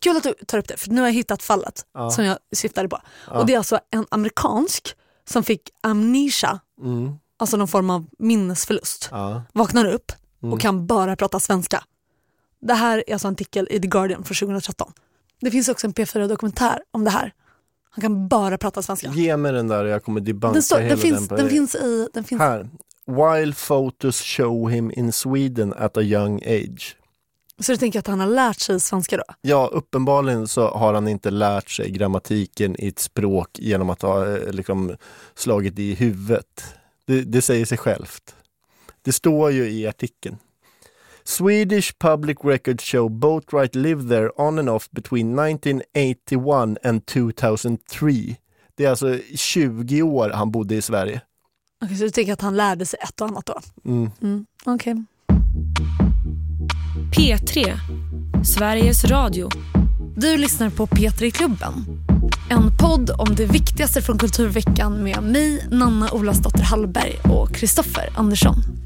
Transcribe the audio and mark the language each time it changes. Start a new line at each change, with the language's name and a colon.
Swedish: Kul att du tar upp det, för nu har jag hittat fallet som jag syftade på. Och det är alltså en amerikansk som fick amnesia, alltså någon form av minnesförlust, vaknar upp. Och kan bara prata svenska. Det här är alltså en artikel i The Guardian från 2013. Det finns också en P4-dokumentär om det här. Han kan bara prata svenska. Ge mig den där, jag kommer debunka hela den. Den finns här.
English: While photos show him in Sweden at a young age.
Swedish: Så du tänker att han har lärt sig svenska då? Ja, uppenbarligen så har han inte lärt sig grammatiken i ett språk genom att ha liksom, slagit i huvudet. Det säger sig självt. Det står ju i artikeln.
English: Swedish public records show Boatwright lived there on and off between 1981 and 2003.
Swedish: Det är alltså 20 år han bodde i Sverige. Okej, okay, så du tänker att han lärde sig ett och annat då? Mm. Mm, okej. Okay. P3, Sveriges Radio. Du lyssnar på P3-klubben. En podd om det viktigaste från Kulturveckan med mig, Nanna Olasdotter Hallberg och Kristoffer Andersson.